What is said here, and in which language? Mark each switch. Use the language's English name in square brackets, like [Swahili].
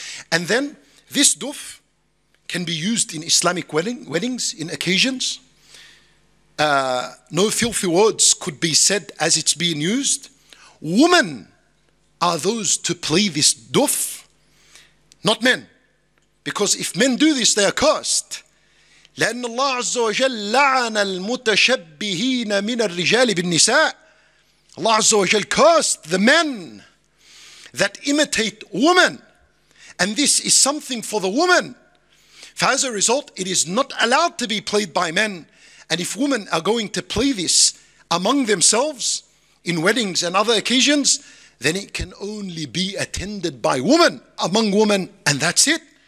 [English] And then this duf can be used in Islamic weddings, in occasions. No filthy words could be said as it's being used. Women are those to play this duf, not men. Because if men do this, they are cursed. [Arabic] لأن الله عز وجل لعن المتشبهين من الرجال بالنساء. [English] Allah عز وجل cursed the men that imitate women. And this is something for the woman. For as a result, it is not allowed to be played by men. And if women are going to play this among themselves in weddings and other occasions, then it can only be attended by women, among women, and that's it.